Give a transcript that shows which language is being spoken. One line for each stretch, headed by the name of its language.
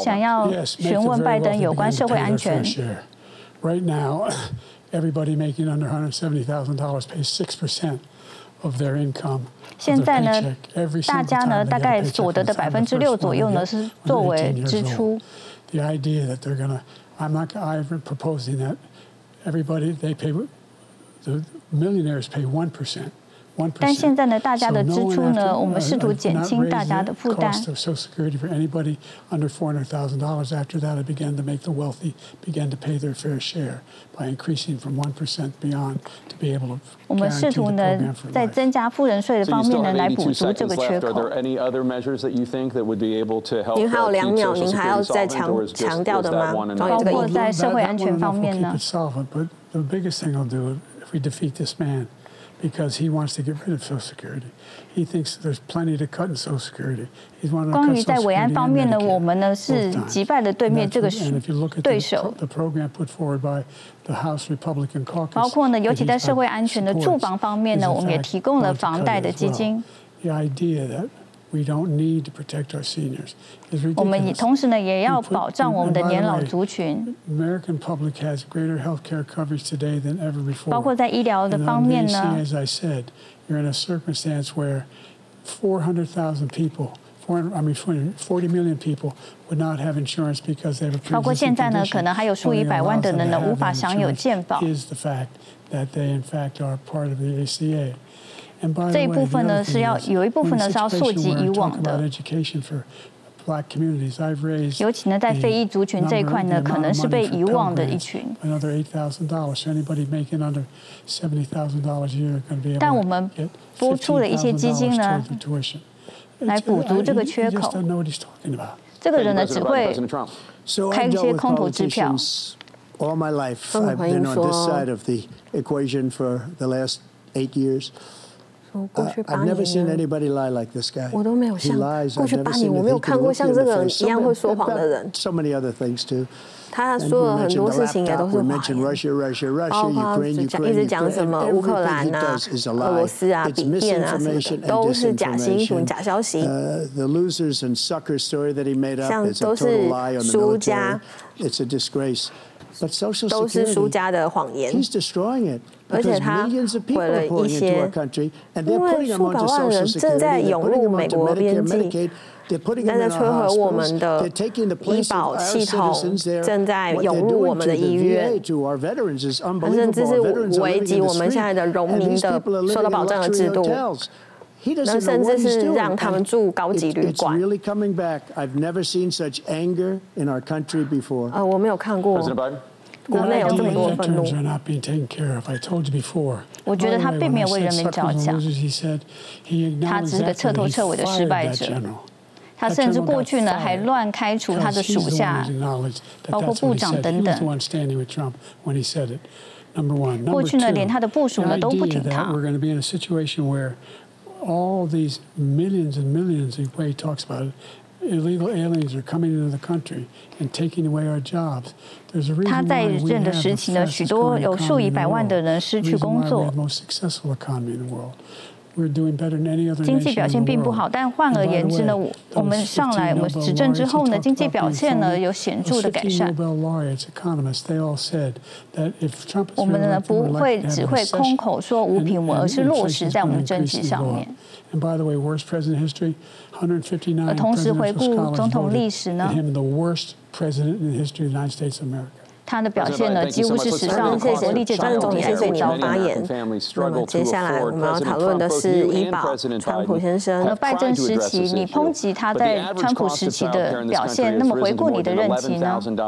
Chinese: 我想要询问拜登有关社会安全。
English: Right now, everybody making under $170,000 pays 6%. Of their income,
Chinese: 现在呢，大家呢，大概所得的6%左右呢，是作为支出。
English: The idea that they're gonna, I'm proposing that everybody they pay, the millionaires pay 1%, 1%.
Chinese: 但现在呢，大家的支出呢，我们试图减轻大家的负担。
English: Cost of Social Security for anybody under $400,000. After that, it began to make the wealthy begin to pay their fair share by increasing from 1% beyond to be able to.
Chinese: 我们试图呢，在增加富人税的方面呢，来补足这个缺口。
English: Are there any other measures that you think that would be able to help?
Chinese: 您还有两秒，您还要再强调的吗？包括在社会安全方面呢
English: ？But the biggest thing I'll do if we defeat this man, because he wants to get rid of Social Security, he thinks there's plenty to cut in Social Security. He's one of the.
Chinese: 关于在维安方面呢，我们呢是击败了对面这个对手。
English: The program put forward by. The House Republican Caucus,
Chinese: 包括呢，尤其在社会安全的住房方面呢，我们也提供了房贷的基金。
English: The idea that we don't need to protect our seniors is ridiculous.
Chinese: 我们同时呢，也要保障我们的年老族群。
English: American public has greater healthcare coverage today than ever before.
Chinese: 包括在医疗的方面呢。
English: As I said, you're in a circumstance where 400,000 people. 40 million people would not have insurance because they have a pre-existing condition.
Chinese: 包括现在呢，可能还有数以百万的人呢，无法享有健保。
English: Is the fact that they in fact are part of the ACA. And by the way,
Chinese: 这一部分呢是要有一部分呢是要溯及以往的。
English: Education for Black communities. I've raised.
Chinese: 尤其呢，在非裔族群这一块呢，可能是被遗忘的一群。
English: Another $8,000. Anybody making under $70,000 a year can be able to get.
Chinese: 但我们拨出了一些基金呢。来补足这个缺口。这个人呢，只会开一些空头支票。
English: All my life, I've been on this side of the equation for the last 8 years. I've never seen anybody lie like this guy.
Chinese: 我都没有像过去八年，我没有看过像这个人一样会说谎的人。
English: So many other things too.
Chinese: 他说了很多事情也都是谎言。
English: Russia, Russia, Ukraine,
Chinese: 一直讲什么乌克兰啊、俄罗斯啊、缅甸啊什么的，都是假新闻、假消息。
English: The losers and suckers story that he made up is a total lie on the military. It's a disgrace. But Social Security, he's destroying it. Because millions of people are pouring into our country, and they're putting them onto Social Security, they're putting them onto Medicare, Medicaid, they're putting them in our hospitals, they're taking the place of our citizens, they're doing to the VA, to our veterans, is unbelievable, veterans are living in the street, and these people are living in luxury hotels.
Chinese: 那甚至是让他们住高级旅馆。
English: It's really coming back. I've never seen such anger in our country before.
Chinese: 我没有看过。
English: President Biden, what I told you before.
Chinese: 我觉得他并没有为人民着想。
English: He said he acknowledged that he was fired.
Chinese: 他甚至过去呢还乱开除他的属下，包括部长等等。
English: He was the one standing with Trump when he said it. Number one.
Chinese: 过去呢连他的部署呢都不挺他。
English: We're going to be in a situation where. All these millions and millions, the way he talks about it, illegal aliens are coming into the country and taking away our jobs. There's a reason why we have the fastest growing economy in the world. The most successful economy in the world. We're doing better than any other nation in the world.
Chinese: 经济表现并不好，但换而言之呢，我们上来我们执政之后呢，经济表现呢有显著的改善。
English: Nobel laureates, economists, they all said that if Trump is going to have a recession,
Chinese: 我们呢不会只会空口说无凭无，而是落实在我们政绩上面。
English: And by the way, worst president in history, 159.
Chinese: 而同时回顾总统历史呢
English: ，him the worst president in the history of the United States of America.
Chinese: 他的表现呢，几乎是史上美国历届总统以来最糟发言。那么接下来我们要讨论的是医保，川普先生。那拜登时期，你抨击他在川普时期的表现，那么回顾你的任期呢？